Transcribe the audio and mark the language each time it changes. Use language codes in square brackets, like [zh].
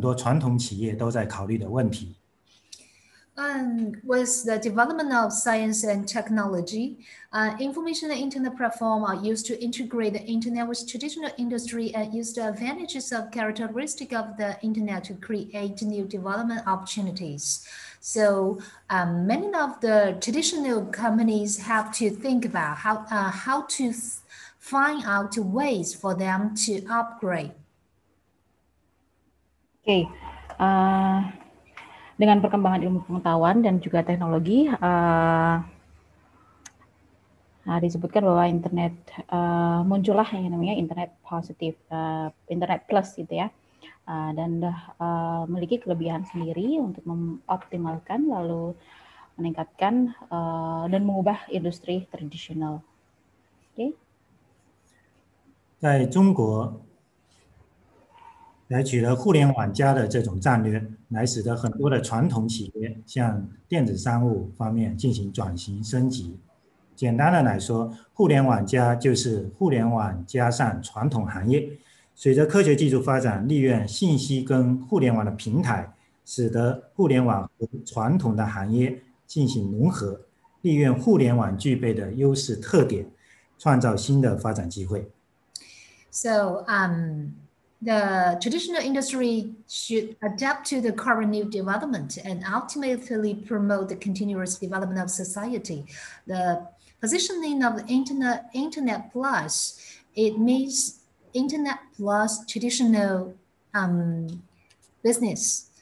[zh] 由于消费者或者购买者已经习惯了上网购买各种各样的服务，所以说对于传统企业来说，他们如何适应这个信息技术的一个发展，使在自己的这个业务的发展过程中转向电子商务，这个是很多传统企业都在考虑的问题。 [en] And with the development of science and technology, information and internet platform are used to integrate the internet with traditional industry and use the advantages of characteristic of the internet to create new development opportunities. So many of the traditional companies have to think about how to find out ways for them to upgrade. Okay. [id] Dengan perkembangan ilmu pengetahuan dan juga teknologi, disebutkan bahwa internet muncullah yang namanya internet positif, internet plus gitu ya, dan memiliki kelebihan sendiri untuk mengoptimalkan lalu meningkatkan dan mengubah industri tradisional. Oke. [zh] Okay. [id] Di China [zh] 采取了互联网加的这种战略，来使得很多的传统企业向电子商务方面进行转型升级。简单的来说，互联网加就是互联网加上传统行业。随着科学技术发展，利用信息跟互联网的平台，使得互联网和传统的行业进行融合，利用互联网具备的优势特点，创造新的发展机会。 [en] So, the traditional industry should adapt to the current new development and ultimately promote the continuous development of society. The positioning of the internet plus, it means internet plus traditional business.